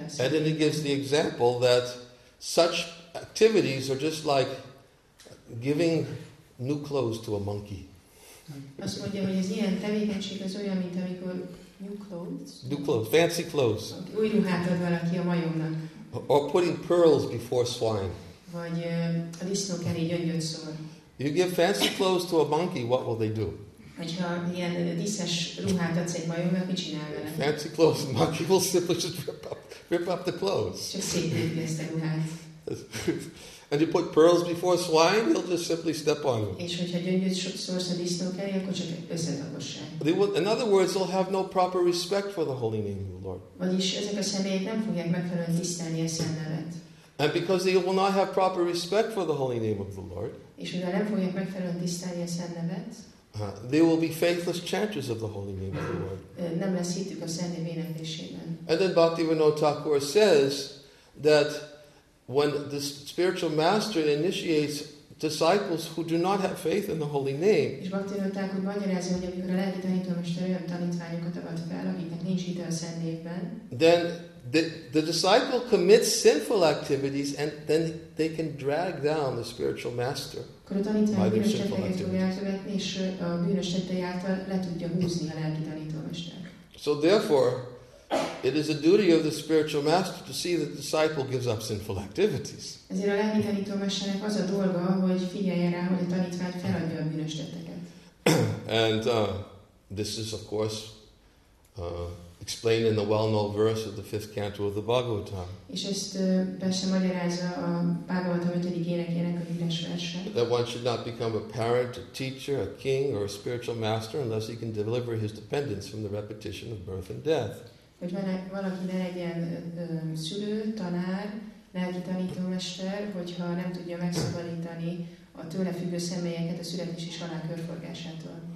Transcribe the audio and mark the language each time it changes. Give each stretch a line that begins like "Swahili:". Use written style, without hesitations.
English: And then he gives the example that such activities are just like giving new clothes to a monkey.
Hungarian: Azt mondja, hogy az ilyen tevékenység az olyan, mint amikor
English: new clothes, fancy clothes.
Hungarian: Új ruhát ad valaki a majomnak.
English: Or putting pearls before swine.
Hungarian: Vagy a disznók elé gyöngyöt szor.
English: You give fancy clothes to a monkey, what will they do?
Hungarian: Hogyha ilyen díszes ruhát adsz egy majomnak, mit csinál vele?
English: Fancy clothes, the monkey will simply just rip up the clothes.
Hungarian: Csak szétnyitja ezt a ruhát.
English: And you put pearls before swine, he'll just simply step on them.
Hungarian: És hogyha gyöngyöt szórsz a disznók elé, akkor csak összetagossák.
English: In other words, they'll have no proper respect for the holy name of the Lord.
Hungarian: Vagyis ezek a személyek nem fogják megfelelően tisztelni a szent nevet.
English: And because they will not have proper respect for the holy name of the Lord,
Hungarian: és mivel nem fogják megfelelően tisztelni a szent nevet,
English: they will be faithless chanters of the holy name of the Lord.
Hungarian: Nem lesz hitük a szent név éneklésében.
English: And then Bhaktivinoda Thakur says that when the spiritual master initiates disciples who do not have faith in the holy name,
Hungarian: és Bhaktivinoda Thakur magyarázza, hogy amikor a lelki tanítómester olyan tanítványokat avat fel, akiknek nincs hite a szent névben,
English: then the disciple commits sinful activities and then they can drag down the spiritual master by their sinful activities.
Hungarian: Akkor a tanítvány bűnös tetteket fogja elkövetni, és a bűnös tettei által le tudja húzni a lelki tanítómester.
English: So therefore, it is a duty of the spiritual master to see that the disciple gives up sinful activities.
Hungarian: Ezért a lelki tanítómesternek az a dolga, hogy figyelje rá, hogy a tanítvány feladja a bűnös tetteket.
English: And this is, of course, explained in the well-known verse of the fifth canto of the Bhagavatam.
Hungarian: És ezt persze magyarázza a Bhagavatam 5. énekének a híres verse.
English: That one should not become a parent, a teacher, a king, or a spiritual master unless he can deliver his dependents from the repetition of birth and death.
Hungarian: Hogy valaki ne legyen szülő, tanár, lelki tanítómester, hogyha nem tudja megszabadítani a tőle függő személyeket a születés és halál körforgásától.